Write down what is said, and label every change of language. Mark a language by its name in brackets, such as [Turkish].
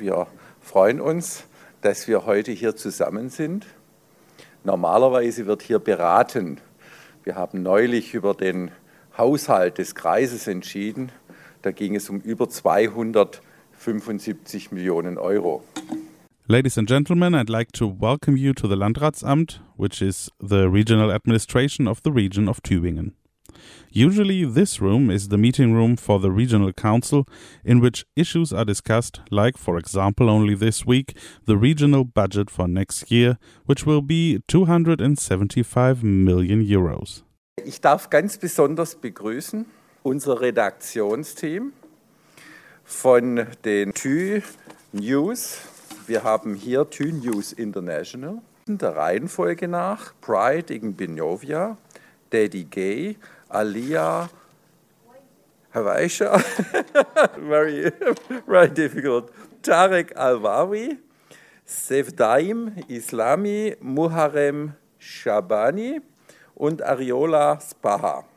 [German] Wir freuen uns, dass wir heute hier zusammen sind. Normalerweise wird hier beraten. Wir haben neulich über den Haushalt des Kreises entschieden. Da ging es um über 275 Millionen Euro. [English] Ladies and gentlemen, I'd like to welcome you to the Landratsamt, which is the regional administration of the region of Tübingen. Usually this room is the meeting room for the regional council, in which issues are discussed, like, for example, only this week, the regional budget for next year, which will be 275 million euros. [German] Ich darf ganz besonders begrüßen unser Redaktionsteam von den TÜNews. Wir haben hier TÜNews International, der Reihenfolge nach Pride Igbinovia, Daddy Gay, Alia Hawaisha, [English] very, very difficult, [German] Tarek Alwawi, Sevdaim Islami, Muharrem Shabani und Ariola Spaha.